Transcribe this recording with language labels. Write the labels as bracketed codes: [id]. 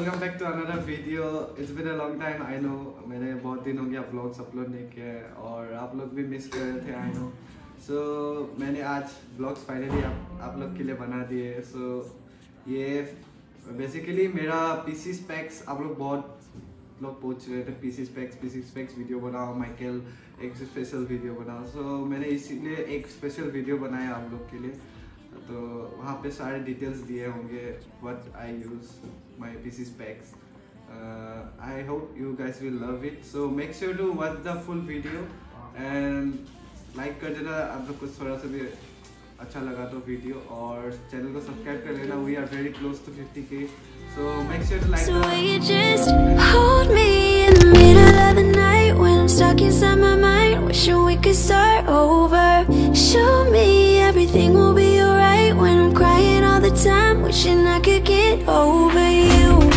[en] It's been a long time, I know. [hi] मैंने बहुत दिन हो गया व्लॉग्स अपलोड नहीं किया है और आप लोग भी मिस कर रहे थे, [en] I know. [hi] सो मैंने आज व्लॉग्स फाइनली आप लोग के लिए बना दिए। सो ये बेसिकली मेरा पीसी स्पेक्स, आप लोग बहुत लोग पूछ रहे थे पीसी स्पेक्स वीडियो बनाओ, माइकल एक स्पेशल वीडियो बनाओ। सो मैंने इसीलिए एक स्पेशल वीडियो बनाया आप लोग के लिए, तो वहाँ पे सारे डिटेल्स दिए होंगे [en] What I use my PC specs. I hope you guys will love it. So make sure to watch the full video and like [hi] कर देना अगर कुछ थोड़ा सा भी अच्छा लगा तो वीडियो, और चैनल को सब्सक्राइब कर लेना। [en] We are very close to 50k. So make sure to like. So will you just hold me in the middle of the night when I'm stuck inside my mind, wishing we could start over. Show me everything will be alright when I'm crying all the time, wishing I could get over you.